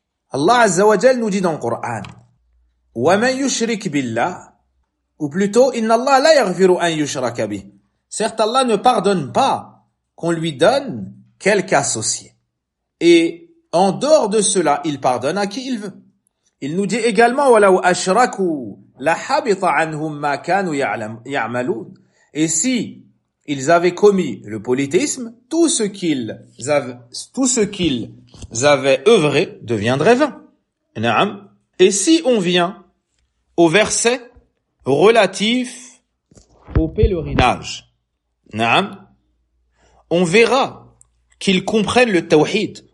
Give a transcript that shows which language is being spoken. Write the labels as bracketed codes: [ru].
[fr] Allah Azza wa Jal nous dit dans le Coran [ar] وَمَنْ يُشْرِكْ بِاللَّهِ, [fr] ou plutôt, [ar] إِنَّ اللَّهَ لَا يَغْفِرُ أَنْ يُشْرَكَ بِهِ. [fr] Certes, Allah ne pardonne pas qu'on lui donne quelque associé. Et en dehors de cela, il pardonne à qui il veut. Il nous dit également, [ar] وَلَوْ أَشْرَكُوا لَحَبِطَ عَنْهُمْ مَا كَانُوا يَعْمَلُونَ. [fr] Et si ils avaient commis le polythéisme, tout ce qu'ils avaient œuvré deviendrait vain. Na'am. Et si on vient au verset relatif au pèlerinage, na'am, on verra qu'ils comprennent le tawhid.